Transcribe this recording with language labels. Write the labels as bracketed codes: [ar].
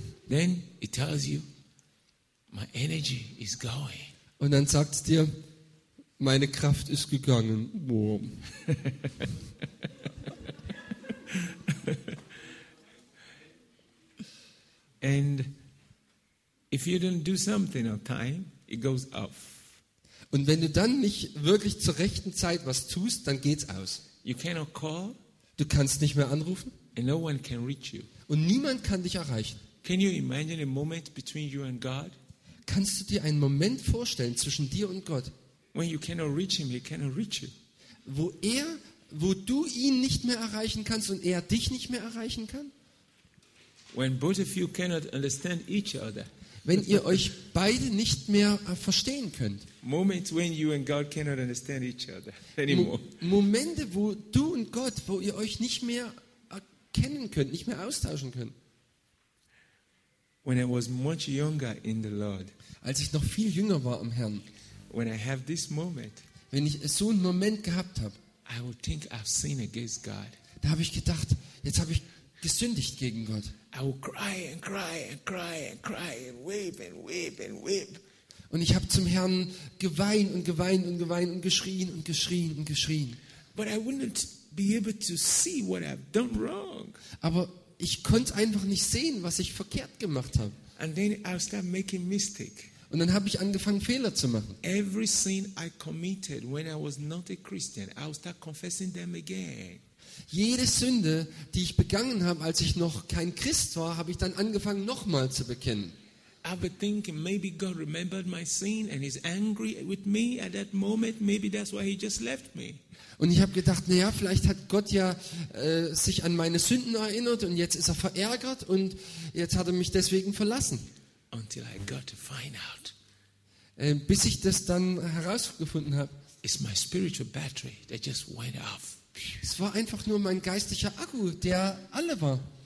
[en] Then it tells you, my energy is going. [de] Und dann sagt es dir, meine Kraft ist gegangen. [en] Boom. And if you don't do something on time, it goes off. [de] Und wenn du dann nicht wirklich zur rechten Zeit was tust, dann geht's aus. [en] You cannot call. [de] Du kannst nicht mehr anrufen. [en] And no one can reach you. [de] Und niemand kann dich erreichen. [en] Can you imagine a moment between you and God? [de] Kannst du dir einen Moment vorstellen zwischen dir und Gott? [en] When you cannot reach him, he cannot reach you. [de] Wo du ihn nicht mehr erreichen kannst und er dich nicht mehr erreichen kann? [en] When both of you cannot understand each other. [de] Wenn ihr euch beide nicht mehr verstehen könnt. [en] Moments when you and God cannot understand each other anymore. [de] Momente, wo du und Gott, wo ihr euch nicht mehr erkennen könnt, nicht mehr austauschen könnt. [en] When I was much younger in the Lord. [de] Als ich noch viel jünger war im Herrn. [en] When I have this moment. [de] Wenn ich so einen Moment gehabt habe. [en] I would think I've sinned against God. [de] Da habe ich gedacht, jetzt habe ich gesündigt gegen Gott. [en] I will cry and cry and cry and cry and weep and weep and weep. [de] Und ich habe zum Herrn geweint und geweint und geweint und geschrien und geschrien und geschrien. [en] But I wouldn't be able to see what I've done wrong. [de] Aber ich konnte einfach nicht sehen, was ich verkehrt gemacht habe. [en] And then I started making mistakes. [de] Und dann habe ich angefangen, Fehler zu machen. [en] Every sin I committed when I was not a Christian, I would start confessing them again. [de] Jede Sünde, die ich begangen habe, als ich noch kein Christ war, habe ich dann angefangen, nochmal zu bekennen. [en] I would think maybe God remembered my sin and he's angry with me at that moment. Maybe that's why he just left me. [de] Und ich habe gedacht, naja, vielleicht hat Gott ja sich an meine Sünden erinnert und jetzt ist er verärgert und jetzt hat er mich deswegen verlassen. [en] Until I got to find out. [de] Bis ich das dann herausgefunden habe. [en] It's my spiritual battery that just went off. [de] Es war einfach nur mein geistlicher Akku, der alle war.